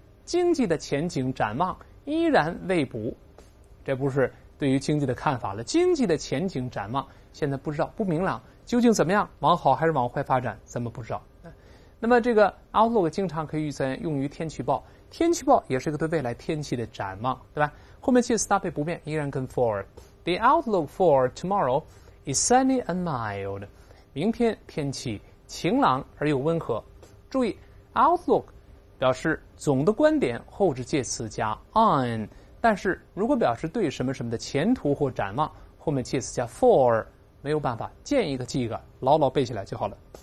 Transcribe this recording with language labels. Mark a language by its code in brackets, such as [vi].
[zh] 经济的前景展望依然未卜。这不是对于经济的看法了，经济的前景展望现在不知道，不明朗，究竟怎么样，往好还是往坏发展，怎么不知道。那么这个 outlook 经常可以用于天气报，天气报也是一个对未来天气的展望，对吧？后面介词搭配不变，依然跟 for。 [en] The outlook for tomorrow is sunny and mild. [zh] 明天天气晴朗而又温和。注意 outlook 表示总的观点，后置介词加 on， 但是如果表示对什么什么的前途或展望，后面介词加 for， 没有办法，见一个记一个，牢牢背起来就好了。